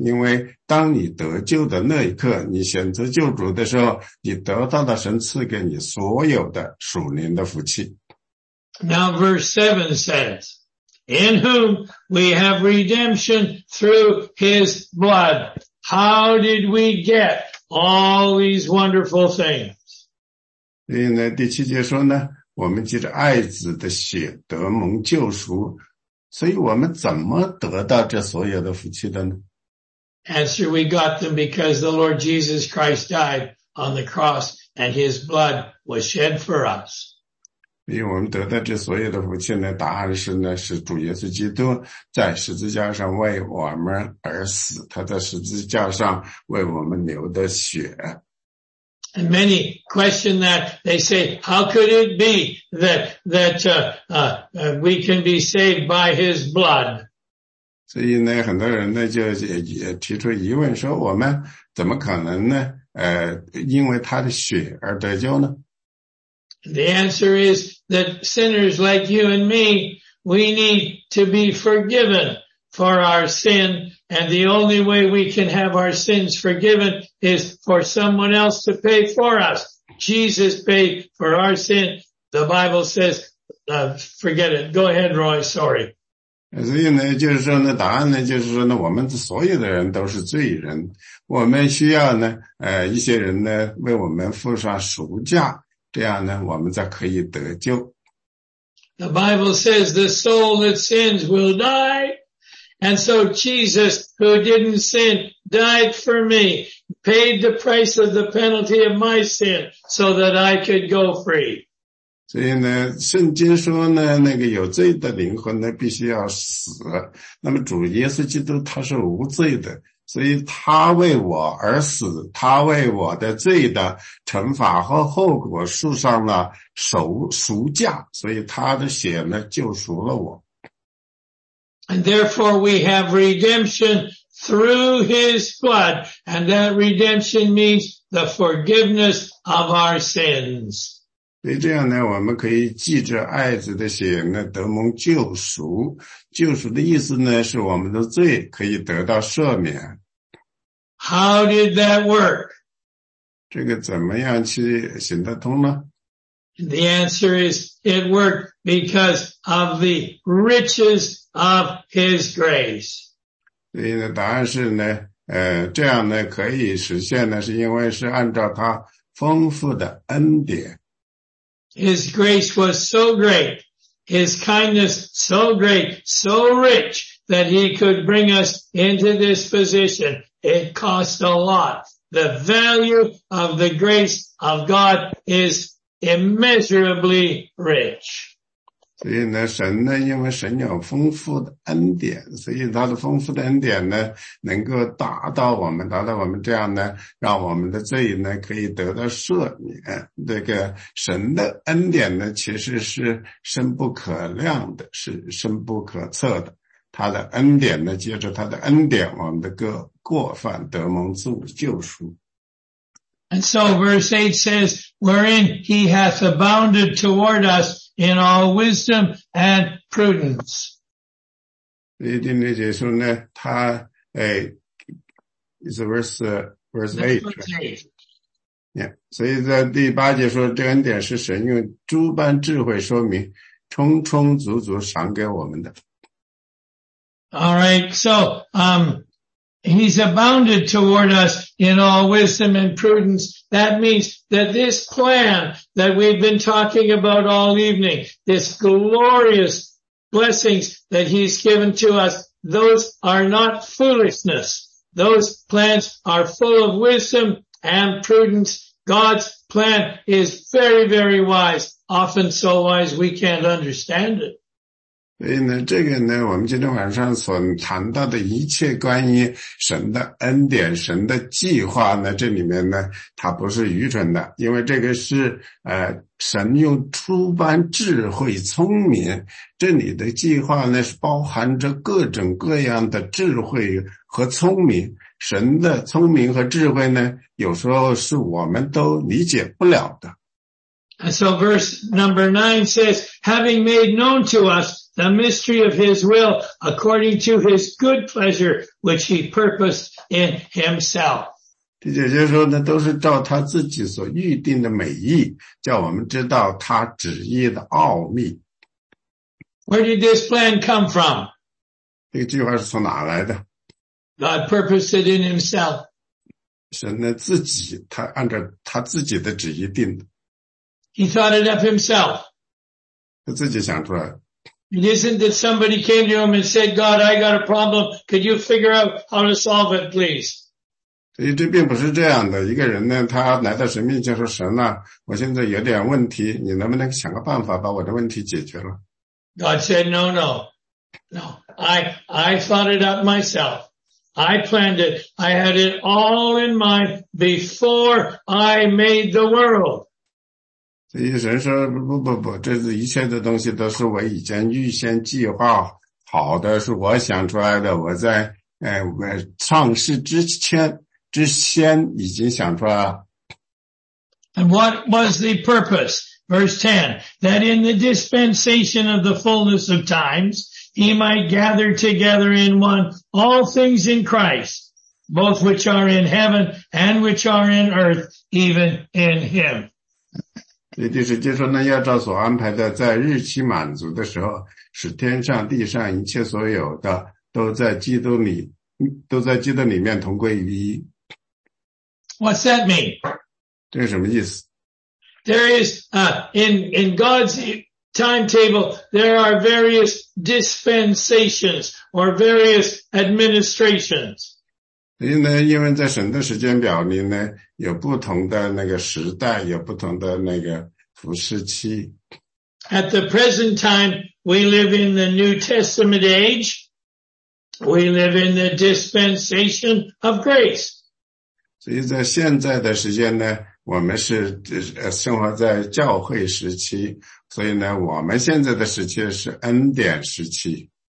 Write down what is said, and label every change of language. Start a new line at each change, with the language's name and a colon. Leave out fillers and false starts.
Chinese: 因为当你得救的那一刻，你选择救主的时候，你得到了神赐给你所有的属灵的福气。
English: Now verse 7 says, in whom we have redemption through his blood. How did we get all these wonderful things?
Chinese: 所以呢，第七节说呢，我们借着爱子的血得蒙救赎，所以我们怎么得到这所有的福气的呢？
English: Answer, we got them because the Lord Jesus Christ died on the cross and his blood was shed for us.
Chinese: 因为我们得到这所有的福气呢，答案是呢，是主耶稣基督在十字架上为我们而死，他在十字架上为我们流的血。
English: And many question that they say, how could it be that we can be saved by his blood?
Chinese: 所以呢，很多人呢就也提出疑问，说我们怎么可能呢？因为他的血而得救呢？
English: The answer is that sinners like you and me, we need to be forgiven for our sin. And the only way we can have our sins forgiven is for someone else to pay for us. Jesus paid for our sin. The Bible says, forget it. Go ahead, Roy. Sorry.
Chinese: 所以呢，就是说呢，答案呢，就是说呢，我们所有的人都是罪人。我们需要呢，一些人呢，为我们付上赎价。这样呢，我们才可以得救。
English: The Bible says the soul that sins will die. And so Jesus, who didn't sin, died for me, paid the price of the penalty of my sin so that I could go free.
Chinese: 所以呢，圣经说呢，那个有罪的灵魂呢，必须要死。那么主耶稣基督他是无罪的。所以他为我而死，他为我的罪的惩罚和后果赎上了赎价，所以他的血呢救赎了我。
English: And therefore we have redemption through his blood, and that redemption means the forgiveness of our sins.
Chinese: 所以这样呢，我们可以借着爱子的血呢得蒙救赎。救赎的意思呢，是我们的罪可以得到赦免。
English: How did that work?
Chinese: 这个怎么样去行得通呢?
English: The answer is it worked because of the riches of his grace.
Chinese: 所以呢答案是呢这样呢可以实现呢是因为是按照他丰富的恩典。
English: His grace was so great, His kindness so great, so rich, that he could bring us into this position. It cost a lot. The value of the grace of God is immeasurably rich.
Chinese: 所以呢，神呢，因为神有丰富的恩典，所以他的丰富的恩典呢，能够达到我们，达到我们这样呢，让我们的罪呢可以得到赦免。这个神的恩典呢，其实是深不可量的，是深不可测的。他的恩典呢，借着他的恩典，我们的过犯得蒙救赎。
English: And so verse 8 says, wherein he hath abounded toward us in all wisdom and prudence.
Chinese: 第一节解说呢，他
English: is verse 8.
Chinese: Yeah, 所以在第八节说，这恩典是神用诸般智慧说明，充充足足赏给我们的。
English: All right, so, he's abounded toward us in all wisdom and prudence. That means that this plan that we've been talking about all evening, this glorious blessings that he's given to us, those are not foolishness. Those plans are full of wisdom and prudence. God's plan is very, very wise, often so wise we can't understand it.
Chinese: 所以呢，这个呢，我们今天晚上所谈到的一切关于神的恩典、神的计划呢，这里面呢，它不是愚蠢的，因为这个是神用诸般智慧、聪明，这里的计划呢，是包含着各种各样的智慧和聪明。神的聪明和智慧呢，有时候是我们都理解不了的。
English: So verse number 9 says, having made known to us. The mystery of his will according to his good pleasure which he purposed in himself.
Chinese: 第九节说呢都是照他自己所预定的美意叫我们知道他旨意的奥秘。
English: Where did this plan come from?
Chinese: 这个计划是从哪来的?
English: God purposed it in himself.
Chinese: 神呢自己他按照他自己的旨意定的。
English: He thought it of himself.
Chinese: 他自己想出来。
English: It isn't that somebody came to him and said, God, I got a problem. Could you figure out how to solve it, please?
Chinese: 所以这并不是这样的。一个人呢，他来到神面前说，神啊，我现在有点问题，你能不能想个办法把我的问题解决了？
English: God said, no, no. No, I thought it up myself. I planned it. I had it all in mind before I made the world.
Chinese: 所以神说不，这是一切的东西都是我已经预先计划好的，是我想出来的。我在我创世之前已经想出来了。
English: And what was the purpose? Verse 10, that in the dispensation of the fullness of times, he might gather together in one all things in Christ, both which are in heaven and which are in earth, even in him.
Chinese: 也就是接受呢要照所安排的在日期满足的时候使天上地上一切所有的都在基督里面同归于一。
English: What's that mean?
Chinese: 这是什么意思?
English: There is, in God's timetable, there are various dispensations or various administrations.
Chinese: 所以呢，因为在神的时间表里呢，有不同的那个时代，有不同的那个服侍期。
English: At the present time, we live in the New Testament age. We live in the dispensation of grace.
Chinese: 所以在现在的时间呢，我们是生活在教会时期，所以呢，我们现在的时期是恩典时期。